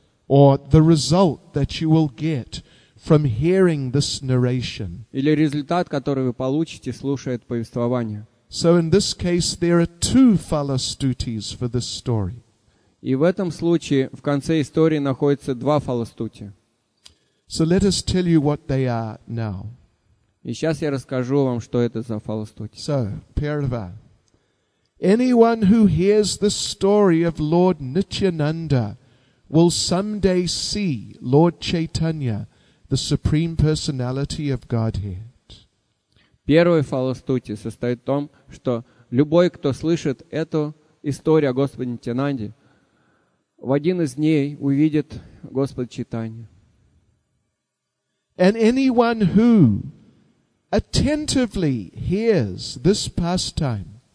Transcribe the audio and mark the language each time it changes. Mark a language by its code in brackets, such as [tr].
[en] Or the result that you will get from hearing this narration. [ru] Или результат, который вы получите, слушая это повествование. [en] So in this case, there are two фалостутис for this story. [ru] И в этом случае в конце истории находятся два фалостути. [en] So let us tell you what they are now. [ru] И сейчас я расскажу вам, что это за фалостути. So, перва. [en] Anyone who hears the story of Lord Nityananda will someday see Lord Chaitanya, the Supreme Personality of Godhead. [ru] Первый фалостути состоит в том, что любой, кто слышит эту историю о Господе Нитянанде, в один из дней увидит Господа Чайтанью. [en] And anyone who attentively hears this pastime,